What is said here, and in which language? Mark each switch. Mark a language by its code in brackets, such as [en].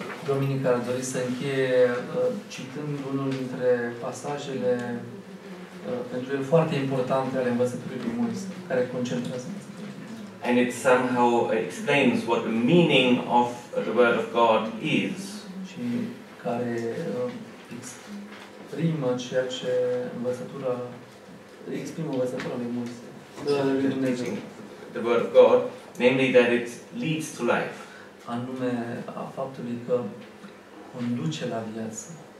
[ro] Duminica ar dori să încheie citând unul dintre pasajele pentru el foarte importante ale învățăturii lui Moise, care concentrează. [en] And it somehow explains what the meaning of the word of God is. [ro] Și care exprimă ceea ce învățătura exprimă învățătura lui Moise. [en] The word of God, namely that it leads to life. [ro] Anume a faptului că conduce la viață.